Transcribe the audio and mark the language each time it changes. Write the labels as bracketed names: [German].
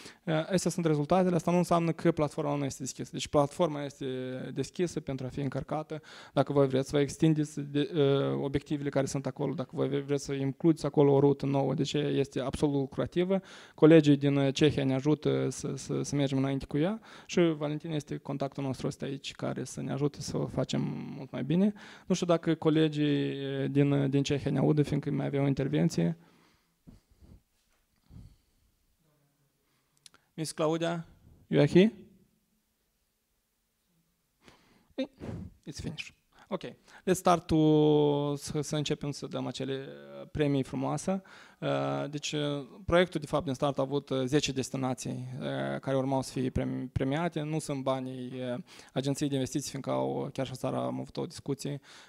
[Romanian] Acestea sunt rezultatele, asta nu înseamnă că platforma nu este deschisă. Deci platforma este deschisă pentru a fi încărcată, dacă voi vreți să vă extindeți obiectivele care sunt acolo, dacă voi vreți să includeți acolo o rută nouă, deci este absolut lucrativă. Colegii din Cehia ne ajută să mergem înainte cu ea și Valentin este contactul nostru ăsta aici, care să ne ajute să o facem mult mai bine. Nu știu dacă colegii din Cehia ne audă, fiindcă mai avem o intervenție. [English] Miss Claudia, you are here? It's finished. Ok, let's start [Romanian] să începem să dăm acele premii frumoase. Deci proiectul de fapt din start a avut 10 destinații care urmau să fie premiate, nu sunt banii Agenției de Investiții, fiindcă chiar și seara am avut o discuție